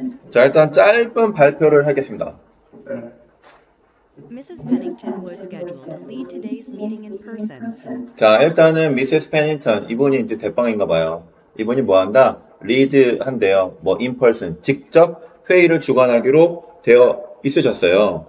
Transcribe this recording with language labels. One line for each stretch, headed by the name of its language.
Korean: 자, 일단 짧은 발표를 하겠습니다.
English: Mrs. Pennington was scheduled to lead today's meeting in person.
Korean: 자, 일단은 Mrs. Pennington 이분이 이제 대빵인가 봐요. 이분이 뭐 한다? 리드 한대요. 뭐
English: in person
Korean: 직접 회의를 주관하기로 되어 있으셨어요.